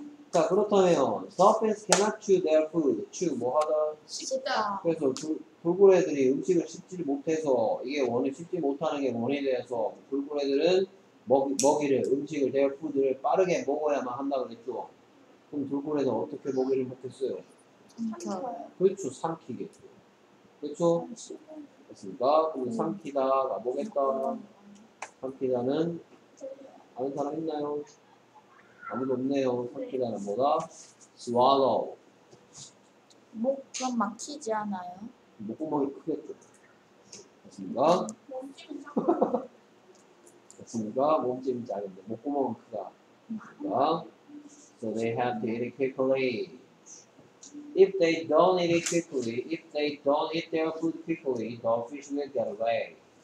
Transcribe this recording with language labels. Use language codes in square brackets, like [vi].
[ko] 자, 그렇다면 [en] The fish cannot chew their food. [ko] Chew 뭐 하다? 씹다. 그래서 돌고래들이 음식을 씹지 못해서 이게 원인, 씹지 못하는 게 원인이 돼서 돌고래들은 먹이를, 음식을, their food를 빠르게 먹어야만 한다고 그랬죠. 그럼 돌고래는 어떻게 먹이를 먹겠어요? 그렇죠, 삼키겠죠. 그렇죠? 그렇습니까? 그럼 삼키다가 뭐겠다? 삼키다는 아는 사람 있나요? 아무도 없네요. 삼키다는 뭐다? Swallow. 목 좀 막히지 않아요? 목구멍이 크겠죠. 그렇습니까? 그니까 몸집이 작은데 목구멍은 크다. [en] 그러니까, so they have to eat it quickly. If they don't eat it quickly, if they don't eat their food quickly, the fish will get away.